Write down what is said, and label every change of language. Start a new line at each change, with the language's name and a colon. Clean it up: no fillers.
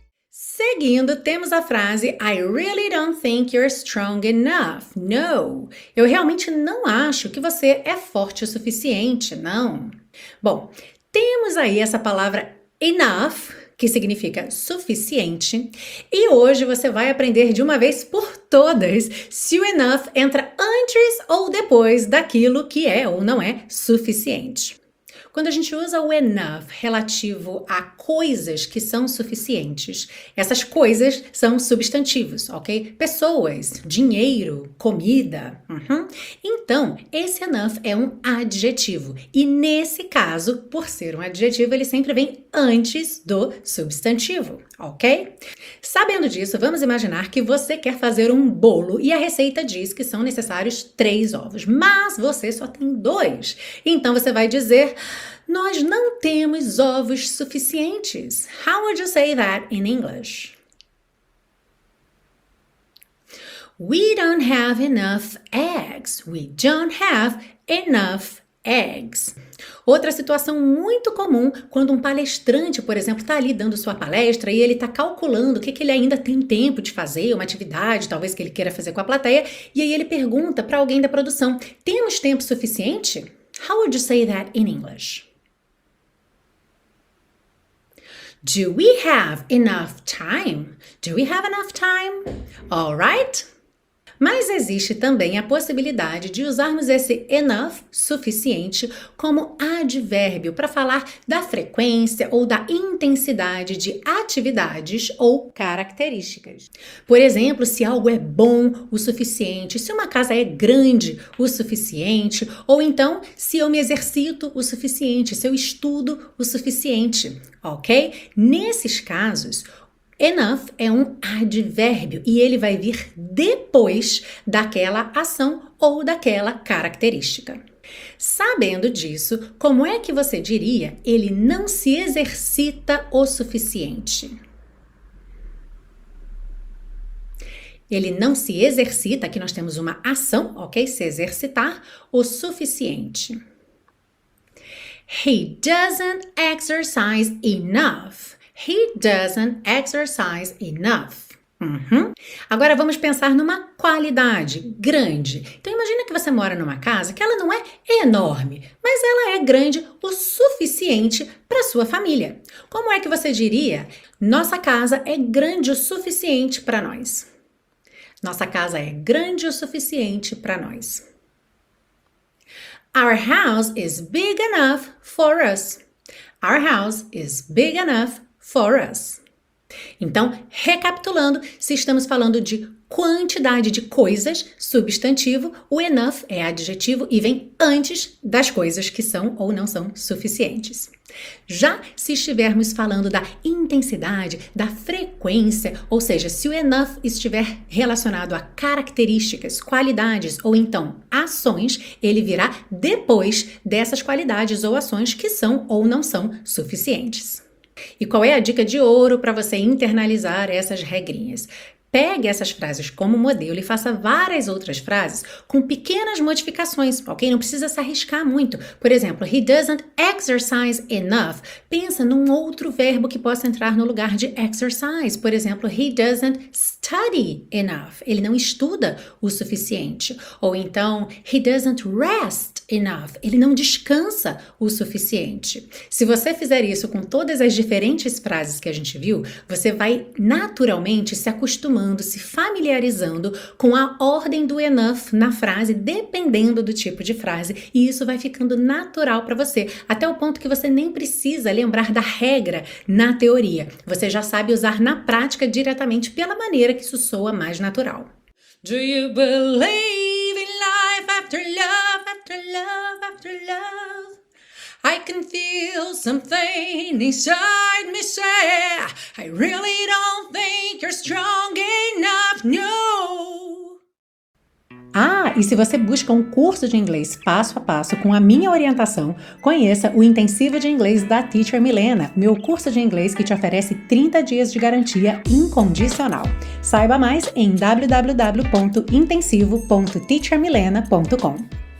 English: Seguindo, temos a frase I really don't think you're strong enough.
Portuguese: No, eu realmente não acho que você é forte o suficiente, não. Bom, temos aí essa palavra enough, que significa suficiente, e hoje você vai aprender de uma vez por todas se o enough entra antes ou depois daquilo que é ou não é suficiente. Quando a gente usa o enough relativo a coisas que são suficientes, essas coisas são substantivos, ok? Pessoas, dinheiro, comida. Então, esse enough é um adjetivo. E nesse caso, por ser um adjetivo, ele sempre vem antes do substantivo, ok? Sabendo disso, vamos imaginar que você quer fazer um bolo e a receita diz que são necessários 3 ovos, mas você só tem 2. Então, você vai dizer... Nós não temos ovos suficientes.
English: How would you say that in English? We don't have enough eggs. We don't have enough eggs.
Portuguese: Outra situação muito comum quando um palestrante, por exemplo, está ali dando sua palestra e ele está calculando o que, que ele ainda tem tempo de fazer, uma atividade talvez que ele queira fazer com a plateia, e aí ele pergunta para alguém da produção, temos tempo suficiente?
English: How would you say that in English? Do we have enough time? Do we have enough time? All right?
Portuguese: Mas existe também a possibilidade de usarmos esse enough, suficiente, como advérbio para falar da frequência ou da intensidade de atividades ou características. Por exemplo, se algo é bom o suficiente, se uma casa é grande o suficiente, ou então se eu me exercito o suficiente, se eu estudo o suficiente, ok? Nesses casos, enough é um advérbio e ele vai vir depois daquela ação ou daquela característica. Sabendo disso, como é que você diria ele não se exercita o suficiente? Ele não se exercita, aqui nós temos uma ação, ok? Se exercitar o suficiente.
English: He doesn't exercise enough. He doesn't exercise enough.
Portuguese: Agora vamos pensar numa qualidade grande. Então imagina que você mora numa casa que ela não é enorme, mas ela é grande o suficiente para sua família. Como é que você diria? Nossa casa é grande o suficiente para nós. Nossa casa é grande o suficiente para nós.
English: Our house is big enough for us. Our house is big enough for us.
Portuguese: Então, recapitulando, se estamos falando de quantidade de coisas, substantivo, o enough é adjetivo e vem antes das coisas que são ou não são suficientes. Já se estivermos falando da intensidade, da frequência, ou seja, se o enough estiver relacionado a características, qualidades ou então ações, ele virá depois dessas qualidades ou ações que são ou não são suficientes. E qual é a dica de ouro para você internalizar essas regrinhas? Pegue essas frases como modelo e faça várias outras frases com pequenas modificações, ok? Não precisa se arriscar muito. Por exemplo, he doesn't exercise enough. Pensa num outro verbo que possa entrar no lugar de exercise.
English: Por exemplo, he doesn't study enough.
Portuguese: Ele não estuda o suficiente.
English: Ou então, he doesn't rest enough.
Portuguese: Ele não descansa o suficiente. Se você fizer isso com todas as diferentes frases que a gente viu, você vai naturalmente se acostumar se familiarizando com a ordem do enough na frase, dependendo do tipo de frase, e isso vai ficando natural para você, até o ponto que você nem precisa lembrar da regra na teoria. Você já sabe usar na prática diretamente pela maneira que isso soa mais natural.
English: Do you believe in life after love, after love, after love? I can feel something inside me say, I really don't think you're strong enough, no! Ah,
Portuguese: e se você busca um curso de inglês passo a passo com a minha orientação, conheça o Intensivo de Inglês da Teacher Milena, meu curso de inglês que te oferece 30 dias de garantia incondicional. Saiba mais em www.intensivo.teachermilena.com.